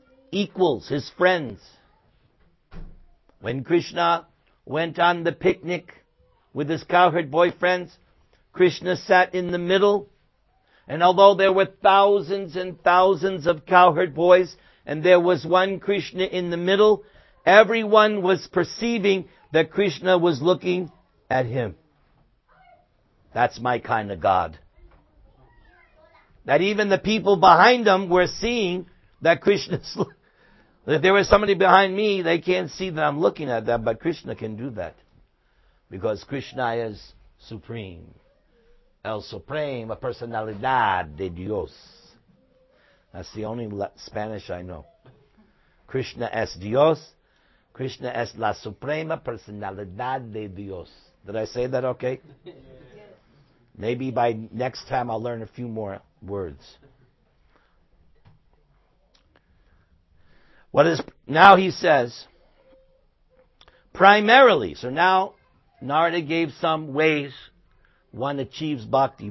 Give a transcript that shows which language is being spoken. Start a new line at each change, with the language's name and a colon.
English: equals, his friends. When Krishna went on the picnic with his cowherd boyfriends, Krishna sat in the middle, and although there were thousands and thousands of cowherd boys, and there was one Krishna in the middle, everyone was perceiving that Krishna was looking at him. That's my kind of God. That even the people behind them were seeing that Krishna's looking. If there was somebody behind me, they can't see that I'm looking at them, but Krishna can do that. Because Krishna is supreme.
Spanish: El Supremo, personalidad de Dios.
English: That's the only Spanish I know.
Spanish: Krishna es Dios. Krishna es la suprema personalidad de Dios.
English: Did I say that okay? Yes. Maybe by next time I'll learn a few more words. What is now he says, primarily, so now Narada gave some ways one achieves bhakti.